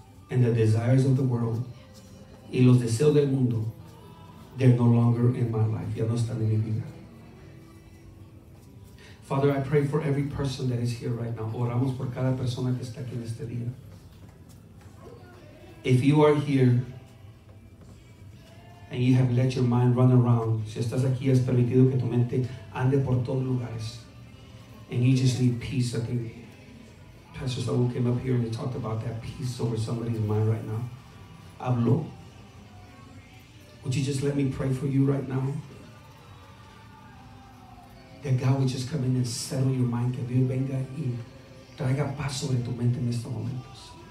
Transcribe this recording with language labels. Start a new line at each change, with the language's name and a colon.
English: And the desires of the world,
Spanish: y los deseos del mundo,
English: they're no longer in my life.
Spanish: Ya no están en mi vida.
English: Father, I pray for every person that is here right now.
Spanish: Oramos por cada persona que está aquí en este día.
English: If you are here and you have let your mind run around,
Spanish: si estás aquí has permitido que tu mente ande por todos lugares,
English: and you just need peace, I think Pastor Saul came up here and he talked about that peace over somebody's mind right now.
Spanish: Habló.
English: Would you just let me pray for you right now? That God would just come in and settle your mind.
Spanish: Que Dios venga y traiga paz sobre tu mente en estos momentos.